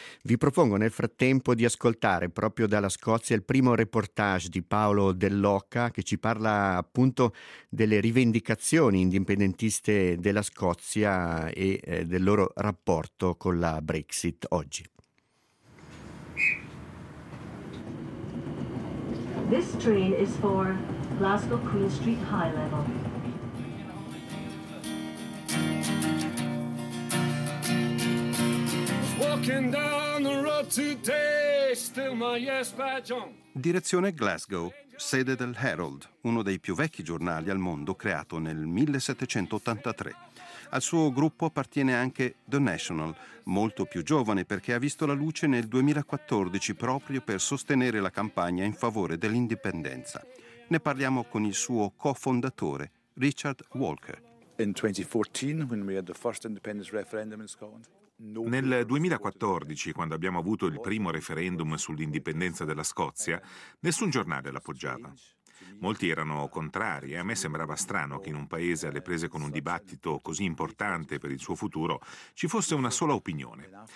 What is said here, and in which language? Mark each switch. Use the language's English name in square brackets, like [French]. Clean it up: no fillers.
[Italian] Vi propongo nel frattempo di ascoltare proprio dalla Scozia il primo reportage di Paolo Dell'Oca, che ci parla appunto delle rivendicazioni indipendentiste della Scozia e del loro rapporto con la Brexit oggi. [English] This train is for Glasgow Queen Street High Level. Walking down the road today, still my yes badge on. [Italian] Direzione Glasgow, sede del Herald, uno dei più vecchi giornali al mondo, creato nel 1783. Al suo gruppo appartiene anche The National, molto più giovane perché ha visto la luce nel 2014 proprio per sostenere la campagna in favore dell'indipendenza. Ne parliamo con il suo cofondatore, Richard Walker. [English] In 2014, when we had the first independence referendum in Scotland. [Italian] Nel 2014, quando abbiamo avuto il primo referendum sull'indipendenza della Scozia, nessun giornale l'appoggiava. Molti erano contrari e a me sembrava strano che in un paese alle prese con un dibattito così importante per il suo futuro ci fosse una sola opinione.